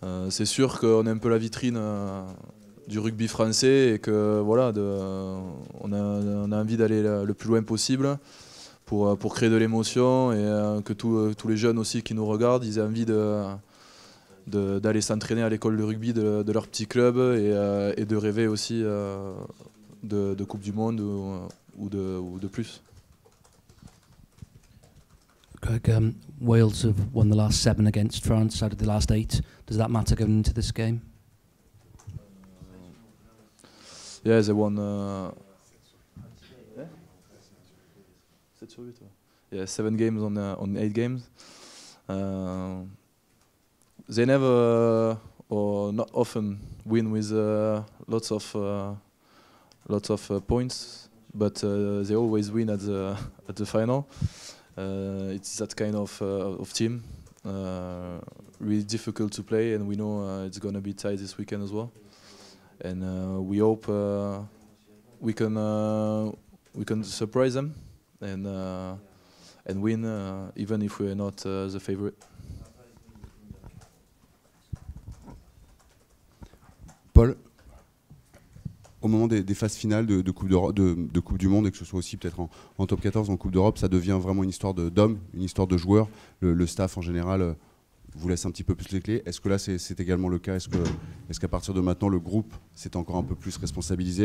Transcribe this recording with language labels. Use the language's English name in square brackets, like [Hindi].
[French] C'est sûr qu'on est un peu la vitrine du rugby français et que voilà, on a envie d'aller le plus loin possible pour créer de l'émotion et que tous les jeunes aussi qui nous regardent, ils aient envie d'aller s'entraîner à l'école de rugby de leur petit club et de rêver aussi de Coupe du Monde ou de plus. [English] Greg, Wales have won the last seven against France out of the last eight. Does that matter going into this game? Yeah, they won 7-8. Yeah, seven games on eight games. They never or not often win with lots of points, but they always win at the final. It's that kind of team, really difficult to play, and we know it's going to be tight this weekend as well. And we hope we can surprise them and win even if we're not the favorite. [French] Paul, au moment des phases finales de Coupe du Monde, et que ce soit aussi peut-être en top 14, en Coupe d'Europe, ça devient vraiment une histoire d'hommes, une histoire de joueurs. Le staff en général vous laisse un petit peu plus les clés. Est-ce que là, c'est également le cas? Est-ce qu'à partir de maintenant, le groupe s'est encore un peu plus responsabilisé?